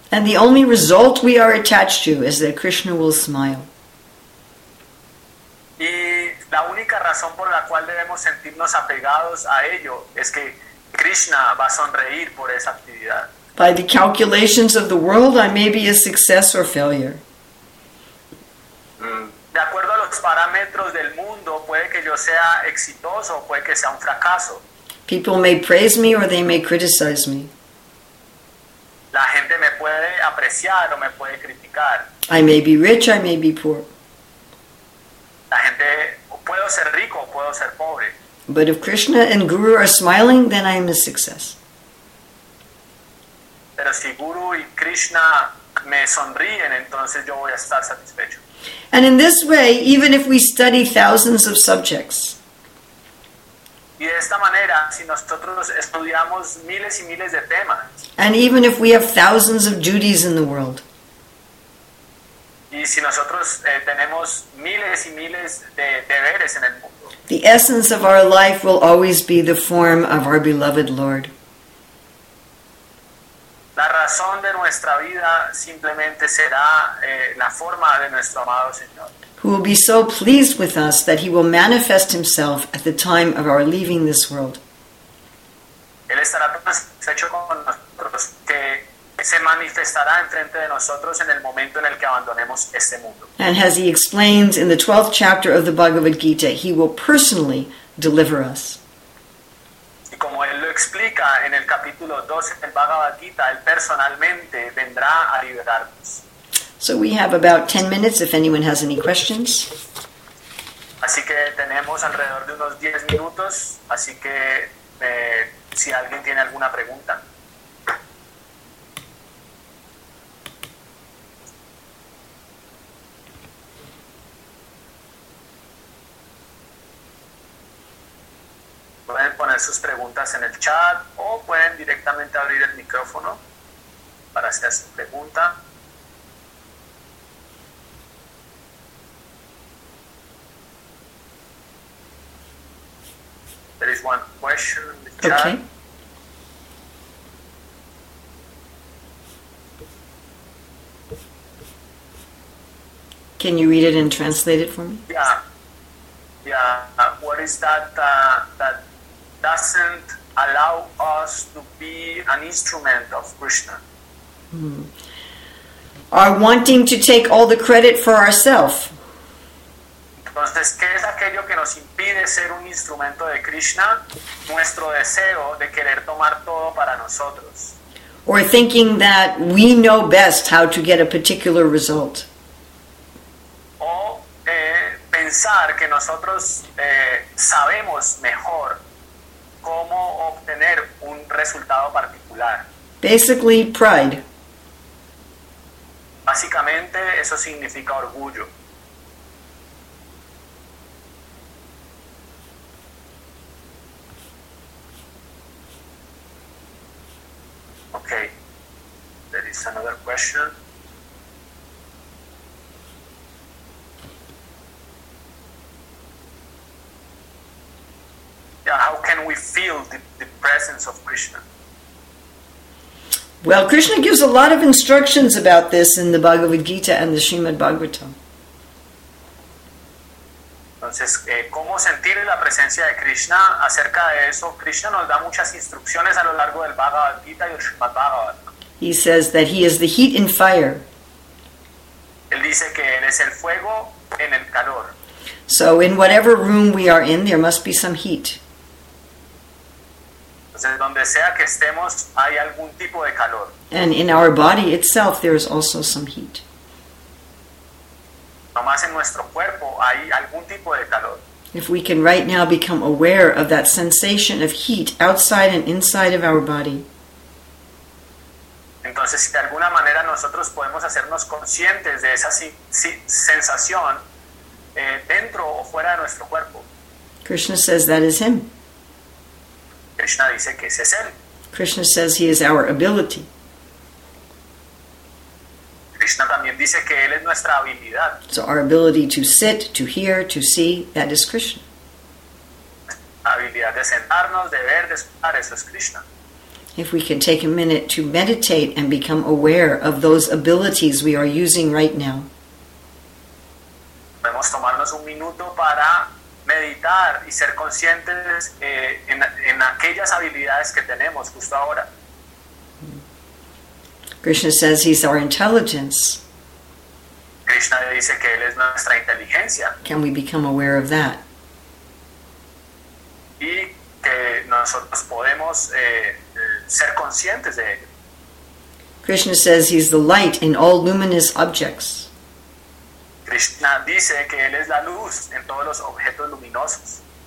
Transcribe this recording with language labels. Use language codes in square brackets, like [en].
[en] And the only result we are attached to is that Krishna will smile. [es] Y la única razón por la cual debemos sentirnos apegados a ello es que Krishna va a sonreír por esa actividad. [en] By the calculations of the world, I may be a success or failure. [es] De acuerdo a los parámetros del mundo, puede que yo sea exitoso o puede que sea un fracaso. [en] People may praise me or they may criticize me. [es] La gente me puede apreciar o me puede criticar. [en] I may be rich, I may be poor. [es] La gente, puedo ser rico, puedo ser pobre. [en] But if Krishna and Guru are smiling, then I am a success. [es] Pero si Guru y Krishna me sonríen, entonces yo voy a estar satisfecho. [en] And in this way, even if we study thousands of subjects, [es] y de esta manera, si nosotros estudiamos miles y miles de temas, [en] and even if we have thousands of duties in the world, [es] y si nosotros tenemos miles y miles de deberes en el mundo, [en] the essence of our life will always be the form of our beloved Lord. [es] La razón de nuestra vida simplemente será la forma de nuestro amado Señor, [en] who will be so pleased with us that he will manifest himself at the time of our leaving this world. [es] Él estará tan satisfecho con nosotros que se manifestará enfrente de nosotros en el momento en el que abandonemos este mundo. [en] And as he explains in the 12th chapter of the Bhagavad Gita, he will personally deliver us. [es] Y como él lo explica en el capítulo 12 del Bhagavad Gita, él personalmente vendrá a liberarnos. [en] So we have about 10 minutes if anyone has any questions. [es] Así que tenemos alrededor de unos 10 minutos, así que si alguien tiene alguna pregunta. Pueden poner sus preguntas en el chat o pueden directamente abrir el micrófono para hacer su pregunta. [en] There is one question in the chat. Okay. Can you read it and translate it for me? Yeah. What is that that doesn't allow us to be an instrument of Krishna? Our wanting to take all the credit for ourselves. [es] Entonces, ¿qué es aquello que nos impide ser un instrumento de Krishna? Nuestro deseo de querer tomar todo para nosotros. [en] Or thinking that we know best how to get a particular result. [es] O pensar que nosotros sabemos mejor cómo obtener un resultado particular. [en] Basically, pride. [es] Básicamente, eso significa orgullo. [en] Okay, there is another question. Yeah, how can we feel the presence of Krishna? Well, Krishna gives a lot of instructions about this in the Bhagavad Gita and the Srimad Bhagavatam. [es] Entonces, ¿cómo sentir la presencia de Krishna? Acerca de eso, Krishna nos da muchas instrucciones a lo largo del Bhagavad Gita y el Srimad Bhagavatam. [en] He says that he is the heat in fire. [es] Él dice que él es el fuego en el calor. [en] So in whatever room we are in, there must be some heat. [es] Entonces, donde sea que estemos, hay algún tipo de calor. [en] And in our body itself, there is also some heat. [es] Nomás en nuestro cuerpo hay algún tipo de calor. [en] If we can right now become aware of that sensation of heat outside and inside of our body. [es] Entonces, si de alguna manera nosotros podemos hacernos conscientes de esa sensación dentro o fuera de nuestro cuerpo. [en] Krishna says that is him. [es] Krishna dice que ese es él. [en] Krishna says he is our ability. [es] Krishna también dice que él es nuestra habilidad. [en] So our ability to sit, to hear, to see, that is Krishna. [es] La habilidad de sentarnos, de ver, de escuchar, eso es Krishna. [en] If we can take a minute to meditate and become aware of those abilities we are using right now. [es] Podemos tomarnos un minuto para meditar y ser conscientes en aquellas habilidades que tenemos justo ahora. [en] Krishna says he's our intelligence. [es] Krishna dice que él es nuestra inteligencia. [en] Can we become aware of that? [es] Y que nosotros podemos ser conscientes de ello. [en] Krishna says he's the light in all luminous objects. [es] Krishna dice que él es la luz en todos los objetos luminosos.